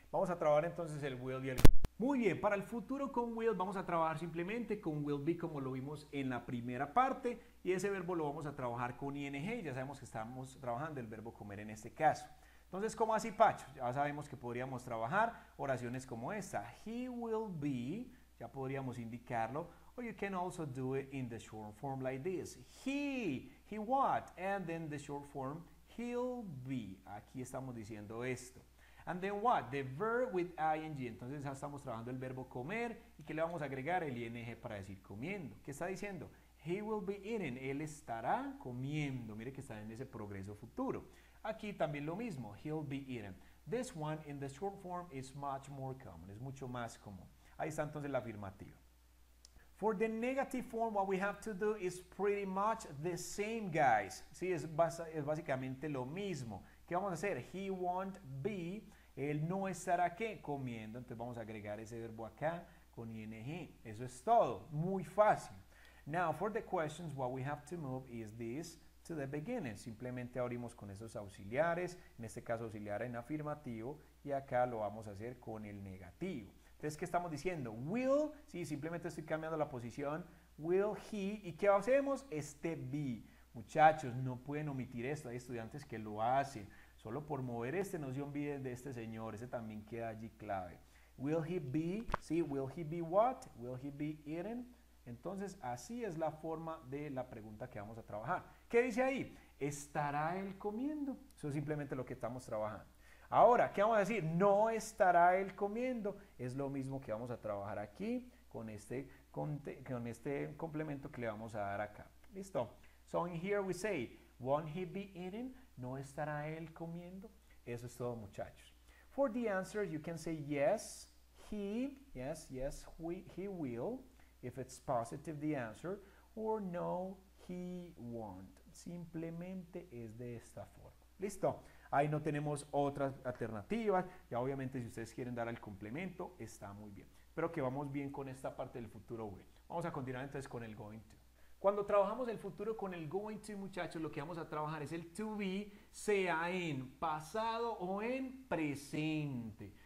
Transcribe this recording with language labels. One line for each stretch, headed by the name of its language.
Spanish: Vamos a trabajar entonces el will y el... Muy bien, para el futuro con will vamos a trabajar simplemente con will be como lo vimos en la primera parte y ese verbo lo vamos a trabajar con ing. Ya sabemos que estamos trabajando el verbo comer en este caso. Entonces, ¿cómo así, Pacho? Ya sabemos que podríamos trabajar oraciones como esta.
English: He will be,
Spanish: ya podríamos indicarlo.
English: Or you can also do it in the short form like this. He what? And then the short form, he'll be.
Spanish: Aquí estamos diciendo esto.
English: And then what? The verb with ing.
Spanish: Entonces ya estamos trabajando el verbo comer. ¿Y qué le vamos a agregar? El ing para decir comiendo. ¿Qué está diciendo?
English: He will be eating.
Spanish: Él estará comiendo. Mire que está en ese progreso futuro. Aquí también lo mismo.
English: He'll be eating. This one in the short form is much more common.
Spanish: Es mucho más común. Ahí está entonces la afirmativa.
English: For the negative form, what we have to do is pretty much the same, guys.
Spanish: Sí, es básicamente lo mismo. ¿Qué vamos a hacer?
English: He won't be.
Spanish: Él no estará, ¿qué? Comiendo. Entonces vamos a agregar ese verbo acá con ing. Eso es todo. Muy fácil.
English: Now, for the questions, what we have to move is this to the beginning.
Spanish: Simplemente abrimos con esos auxiliares. En este caso, auxiliar en afirmativo. Y acá lo vamos a hacer con el negativo. Entonces, ¿qué estamos diciendo? Will, sí, simplemente estoy cambiando la posición.
English: Will he,
Spanish: ¿y qué hacemos? Este be. Muchachos, no pueden omitir esto. Hay estudiantes que lo hacen. Solo por mover este, no se olviden de este señor. Ese también queda allí clave.
English: Will he be,
Spanish: sí,
English: will he be what? Will he be eating?
Spanish: Entonces, así es la forma de la pregunta que vamos a trabajar. ¿Qué dice ahí? ¿Estará él comiendo? Eso es simplemente lo que estamos trabajando. Ahora, ¿qué vamos a decir? No estará él comiendo. Es lo mismo que vamos a trabajar aquí con este complemento que le vamos a dar acá. ¿Listo?
English: So in here we say, won't he be eating?
Spanish: ¿No estará él comiendo? Eso es todo, muchachos.
English: For the answer, you can say yes, he, yes, yes, he will, if it's positive the answer, or no, he won't.
Spanish: Simplemente es de esta forma. ¿Listo? Ahí no tenemos otras alternativas. Ya obviamente si ustedes quieren dar el complemento, está muy bien. Pero que vamos bien con esta parte del futuro will. Vamos a continuar entonces con el going to. Cuando trabajamos el futuro con el going to, muchachos, lo que vamos a trabajar es el to be, sea en pasado o en presente.